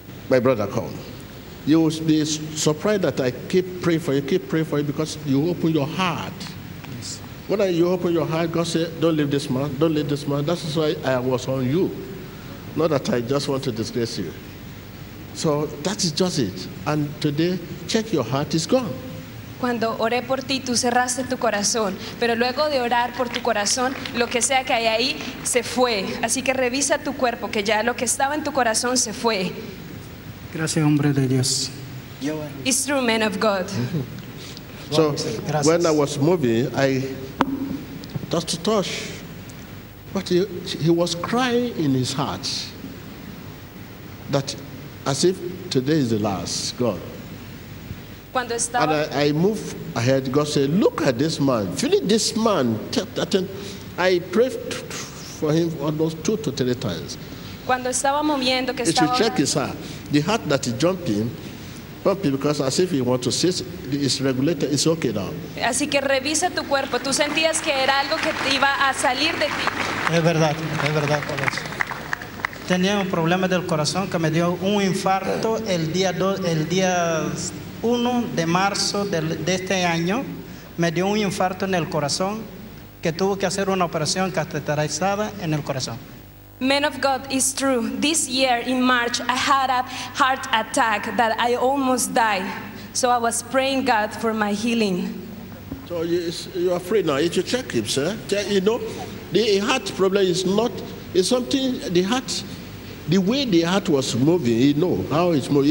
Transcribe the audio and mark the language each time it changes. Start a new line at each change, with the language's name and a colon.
English: My brother called. You will be surprised that I keep praying for you because you open your heart. Yes. When you open your heart, God said, don't leave this man, don't leave this man. That's why I was on you. Not that I just want to disgrace you. So that is just it. And today, check your heart, it's gone.
Spanish: Cuando oré por ti, tú cerraste tu corazón. Pero luego de orar por tu corazón, lo que sea que hay ahí, se fue. Así que revisa tu cuerpo, que ya lo que estaba en tu corazón se fue. Gracias, hombre de Dios.
English: It's true, man of God. So, when I was moving, I touched Tosh, but he was crying in his heart, that as if today is the last, God.
Spanish: Cuando estaba...
English: And I moved ahead. God said, look at this man. Philip, this man. I prayed for him almost 2 to 3 times.
Spanish: Cuando estaba moviendo, que estaba...
English: If you check his heart, the heart that is jumping, because as if he wants to sit, it's regulated, it's okay now.
Spanish: Así que revisa tu cuerpo. Tú sentías que era algo que te iba a salir de ti. Es verdad, por eso. Tenía un problema del corazón que me dio un infarto el día 1 de marzo de este año. Me dio un infarto en el corazón que tuvo que hacer una operación cateterizada en el corazón.
English: Man of God, it's true. This year in March, I had a heart attack that I almost died. So I was praying God for my healing. So you are free now. If you check him, sir, you know, the heart problem is not, it's something, the heart, the way the heart was moving, he know how it's moving.